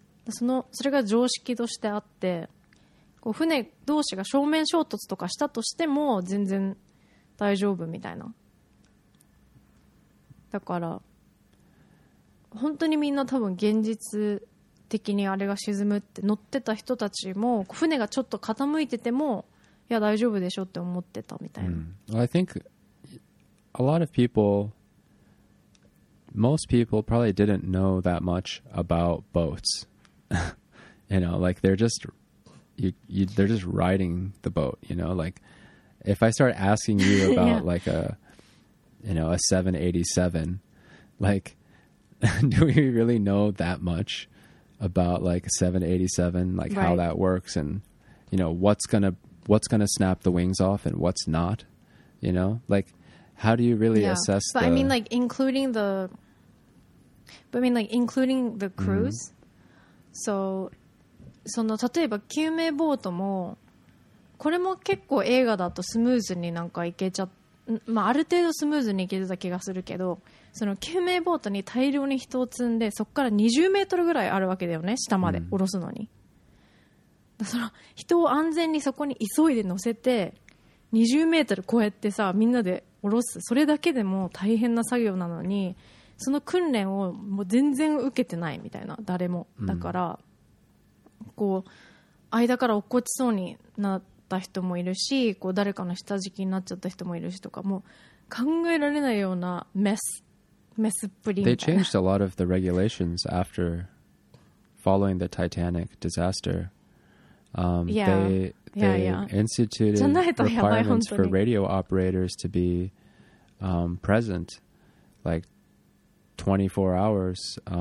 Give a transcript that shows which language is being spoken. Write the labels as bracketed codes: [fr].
[ja] それが常識としてあって、こう船同士が正面衝突とかしたとしても全然大丈夫みたいな、だから本当にみんな多分現実的にあれが沈むって乗ってた人たちも船がちょっと傾いてても、いや大丈夫でしょって思ってたみたいな、 [en] うん、I think a lot of peopleMost people probably didn't know that much about boats. You know, like they're just riding the boat, you know, like if I start asking you about yeah. like a, you know, a 787, like, do we really know that much about like a 787, like right. how that works and, you know, what's gonna snap the wings off and what's not, you know, like how do you really yeah. assess but the... I mean, like including the... But I mean, like, including the cruise.、Mm. [ja] So, その例えば救命ボートも、これも結構映画だとスムーズになんか行けちゃ、まあ、ある程度スムーズに行けてた気がするけど、その救命ボートに大量に人を積んで、そこから20メートルぐらいあるわけだよね、下まで下ろすのに、うん、その人を安全にそこに急いで乗せて20メートル超えてさ、みんなで下ろす、それだけでも大変な作業なのに、その訓練をもう全然受けてないみたいな、誰も。だから、うん、こう間から落っこちそうになった人もいるし、こう誰かの下敷きになっちゃった人もいるしとか、もう考えられないようなメスっぷりみたいな。 [en] They changed a lot of the regulations after following the Titanic disaster. They instituted requirements for radio operators to be present like 24 hours.